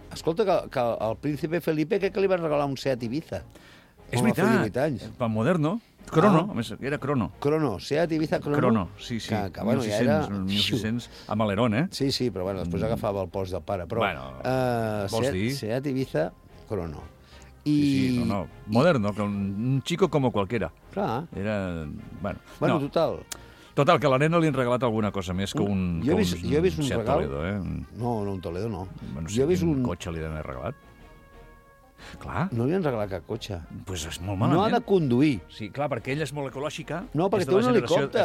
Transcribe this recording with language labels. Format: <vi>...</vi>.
<ca>Escolta, que el príncipe Felipe crec que li va regalar un Seat Ibiza. És veritat, pel moderno. Crono, a més, era Crono. Crono, Seat Ibiza Crono. Crono, sí, sí. Que bueno, 1600, ja era... 1600, amb aleron, Sí, sí, però bueno, després agafava el post del pare. Però, bueno, Seat Ibiza Crono. No.</ca> <es>Moderno, un chico como cualquiera.</es> <ca>Clar. Era, bueno. Bueno, no. Total... Total, que a la nena li han regalat alguna cosa més que un... Jo he vist un regal. Toledo, No, no, un Toledo, no. Bueno, si jo he vist un... cotxe li han regalat. Clar. No li han regalat cap cotxe. Pues és molt malament. No ha de conduir. Sí, clar, perquè ella és molt ecològica. No, perquè té un helicòpter.</ca>